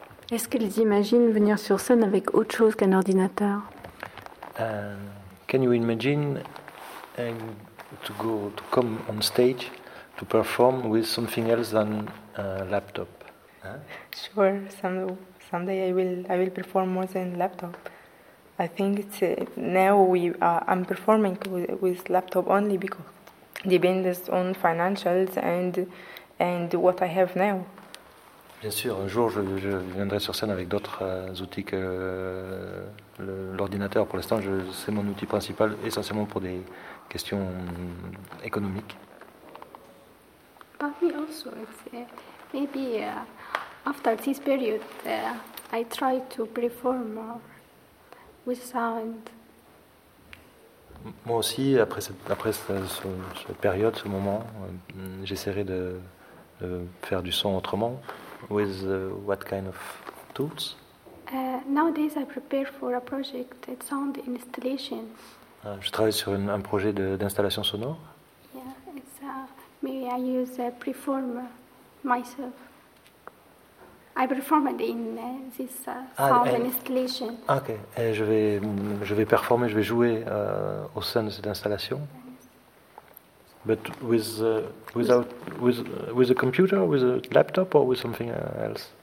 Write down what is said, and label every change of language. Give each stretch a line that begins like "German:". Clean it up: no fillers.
French: Est-ce qu'ils imaginent venir sur scène avec autre chose qu'un ordinateur?
English: Can you imagine to go to come on stage to perform with something else than laptop? Huh? Sure, someday I will perform more than laptop. I think it's now I'm performing with laptop only because depends on financials and what I have now.
French: Bien sûr, un jour je viendrai sur scène avec d'autres outils que l'ordinateur. Pour l'instant, c'est mon outil principal, essentiellement pour des questions économiques.
English: But me also, it's maybe after this period, I try to perform with sound.
French: Moi aussi, après cette période, ce moment, j'essaierai de faire du son autrement.
English: With what kind of tools? Nowadays, I prepare for a project, a sound installation.
French: Je travaille sur un projet d'installation sonore.
English: Yeah, it's maybe I use perform myself. I perform it in this sound installation.
French: Okay, et je vais performer, je vais jouer au sein de cette installation.
English: But with a computer, with a laptop, or with something else?